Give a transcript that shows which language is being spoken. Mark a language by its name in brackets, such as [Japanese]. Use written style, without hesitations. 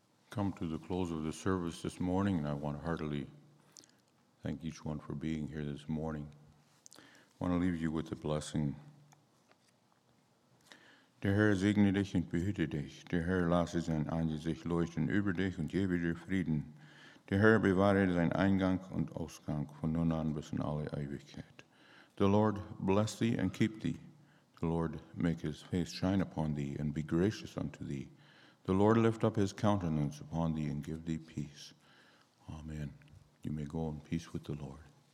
[English] Come to the close of the service this morning, and I want to heartily thank each one for being here this morning. I want to leave you with a blessing. [German] Der Herr segne dich und behüte dich. Der Herr lasse sein Angesicht leuchten über dich und gebe dir Frieden. Der Herr bewahre seinen Eingang und Ausgang von nun an bis in alle Ewigkeit. [English] The Lord bless thee and keep thee. The Lord make his face shine upon thee and be gracious unto thee. The Lord lift up his countenance upon thee and give thee peace. Amen. You may go in peace with the Lord.